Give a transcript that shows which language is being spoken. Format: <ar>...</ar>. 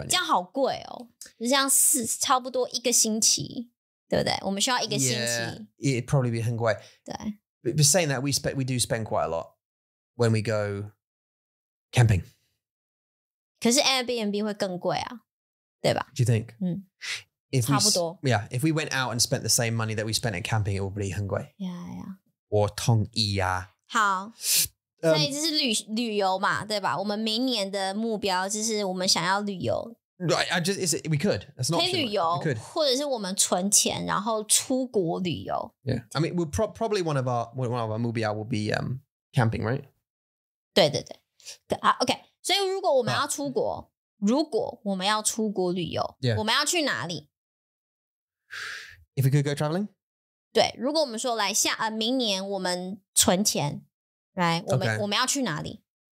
<zh>这样好贵哦, 这样差不多一个星期, 对不对? 我们需要一个星期,</zh> <en>yeah, it'd probably be</en> <zh>很贵, 对,</zh> <en>but saying that, we do spend quite a lot when we go camping.</en> <zh>可是 Airbnb 会更贵啊, 对吧?</zh> <en>Do you think?</en> <zh>嗯, 差不多。</zh> <en>Yeah, if we went out and spent the same money that we spent in camping, it would be</en> <zh>很贵。</zh> <en>Yeah, yeah.</en> <zh>我同意啊。好, 所以这是旅游嘛, 对吧? 我们明年的目标就是我们想要旅游。</zh> <en>Right, we could. That's an option.</en> <zh>可以旅游,</zh> <en>right? We could.</en> <zh>或者是我们存钱, 然后出国旅游。</zh> <en>Yeah, I mean, we're probably one of our movie will be camping, right?</en> <zh>对对对。Okay. 所以如果我们要出国旅游,</zh> <en>yeah.</en> <zh>我们要去哪里?</zh> <en>If we could go traveling?</en> <zh>对,如果我们说来下,明年我们存钱, right? 我们要去哪里?</zh>